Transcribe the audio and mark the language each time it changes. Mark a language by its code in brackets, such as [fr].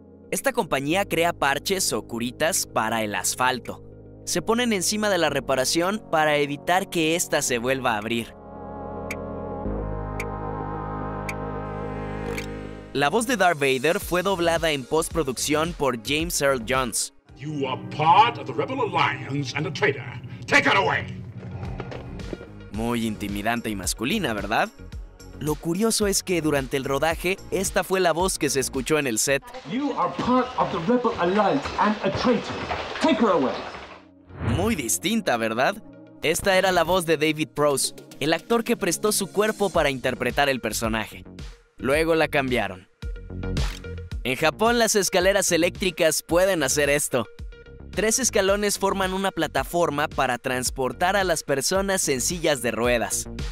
[es] Esta compañía crea parches o curitas para el asfalto. Se ponen encima de la reparación para evitar que ésta se vuelva a abrir. La voz de Darth Vader fue doblada en postproducción por James Earl Jones. [en] You are part of the Rebel Alliance and a traitor. Take her away. [es] Muy intimidante y masculina, ¿verdad? Lo curioso es que durante el rodaje, esta fue la voz que se escuchó en el set. [en] You are part of the Rebel Alliance and a traitor. Take her away. [es] Muy distinta, ¿verdad? Esta era la voz de David Prowse, el actor que prestó su cuerpo para interpretar el personaje. Luego la cambiaron. En Japón, las escaleras eléctricas pueden hacer esto. Tres escalones forman una plataforma para transportar a las personas en sillas de ruedas.